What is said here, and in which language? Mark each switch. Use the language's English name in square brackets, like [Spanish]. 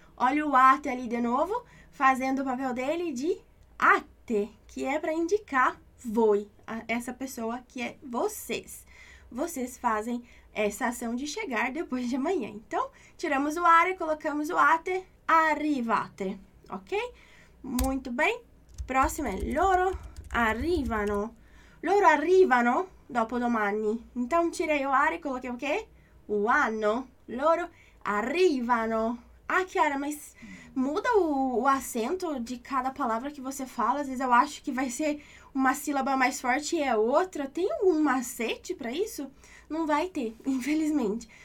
[Portuguese] Olha o ate ali de novo, fazendo o papel dele de ate, que é para indicar voi, essa pessoa que é vocês. Vocês fazem essa ação de chegar depois de amanhã. Então, tiramos o are e colocamos o ate, arrivate. Ok? Muito bem. Próximo é [Italian] loro arrivano. Loro arrivano dopodomani. [Portuguese] Então, tirei o are e coloquei o quê? O anno. [Italian] Loro arrivano. [Portuguese] Ah, Chiara, mas muda o acento de cada palavra que você fala. Às vezes eu acho que vai ser uma sílaba mais forte e é outra. Tem algum macete para isso? Não vai ter, infelizmente.